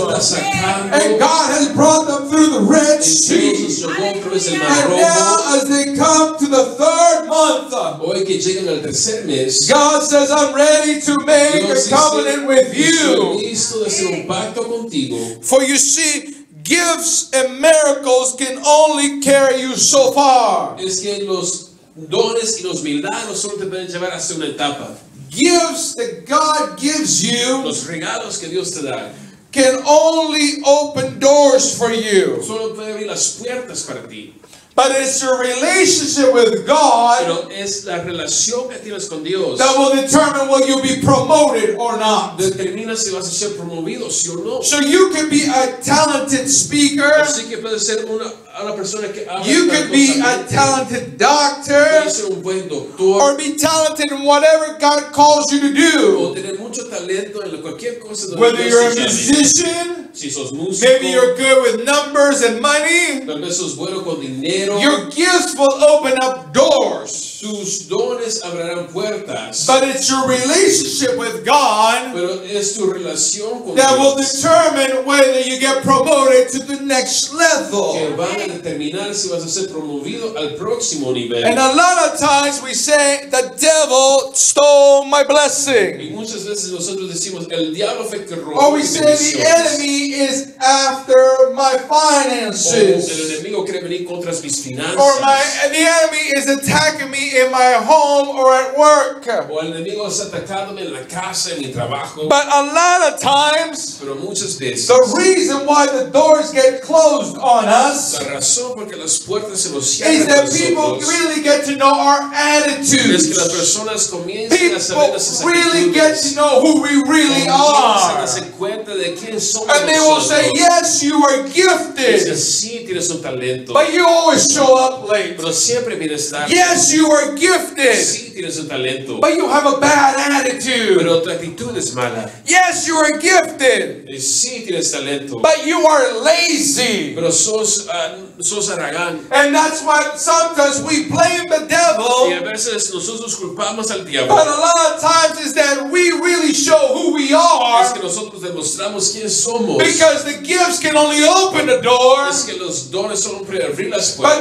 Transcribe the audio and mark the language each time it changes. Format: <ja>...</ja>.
<en>And God has brought them through the Red Sea. And now as they come to the third month, month.</en> <es>Hoy que llegan al tercer mes,</es> <en>God says, I'm ready to make a covenant with you.</en> <es>Estoy listo de hacer un pacto contigo.</es> <en>For you see, gifts and miracles can only carry you so far.</en> <es>Es que los dones y los milagros solo te pueden llevar hacia una etapa.</es> <en>Gifts that God gives you,</en> <es>los regalos que Dios te da,</es> <en>can only open doors for you.</en> <es>Solo puede abrir las puertas para ti.</es> <en>But it's your relationship with God,</en> <es>pero es la relación que tienes con Dios,</es> <en>that will determine whether you'll be promoted or not.</en> <es>Determina si vas a ser promovido, sí o no.</es> <en>So you can be a talented speaker.</en> <es>Así que puedes ser una persona que habla.</es> <en>You can be a talented doctor.</en> <es>Puedes ser un buen doctor.</es> <en>Or be talented in whatever God calls you to do.</en> <es>O tener mucho talento en cualquier cosa.</es> <en>Whether you're a musician,</en> <es>si sos músico,</es> <en>maybe you're good with numbers and money.</en> <es>Tal vez sos bueno con dinero.</es> <en>Your gifts will open up doors.</en> <es>Tus dones abrirán puertas.</es> <en>But it's your relationship with God,</en> <es>pero es tu relación con</es> <en>that</en> <es>Dios,</es> <en>will determine whether you get promoted to the next level.</en> <es>Que van a determinar si vas a ser promovido al próximo nivel.</es> <en>And a lot of times we say, the devil stole my blessing.</en> <es>Y muchas veces nosotros decimos, el diablo fue que robó mi bendición.</es> <en>Or we say, the enemy is after my finances.</en> <es>O el enemigo quiere venir contra mis finanzas.</es> <en>Or the enemy is attacking me in my home or at work.</en> <es>O el enemigo está atacándome en la casa, en mi trabajo.</es> <en>But a lot of times,</en> <es>pero muchas veces,</es> <en>the reason why the doors get closed on us,</en> <es>la razón porque las puertas se nos cierran,</es> <en>is that people really get to know our attitudes.</en> <es>Es que las personas comienzan</es> <en>people</en> <es>a saber esas</es> <en>really</en> <es>actitudes.</es> <en>Really get to know who we really</en> <es>y</es> <en>are.</en> <es>Se hacen cuenta de quién somos.</es> <en>And they will say, yes, you are gifted.</en> <es>Es decir, sí, tienes un talento.</es> <en>But you always show up late.</en> <es>Pero siempre vienes tarde.</es> <en>Yes, you are gifted.</en> <es>Sí, tienes un talento.</es> <en>But you have a bad attitude.</en> <es>Pero tu actitud es mala.</es> <en>Yes, you are gifted.</en> <es>Sí, tienes talento.</es> <en>But you are lazy.</en> <es>Pero sos haragán.</es> <en>And that's why sometimes we blame the devil.</en> <es>Y a veces nosotros culpamos al diablo.</es> <en>But a lot of times is that we really show who we are.</en> <es>Es que nosotros demostramos quién somos.</es> <en>Because the gifts can only open the door.</en> <es>Es que los dones solo pueden abrir las puertas.</es>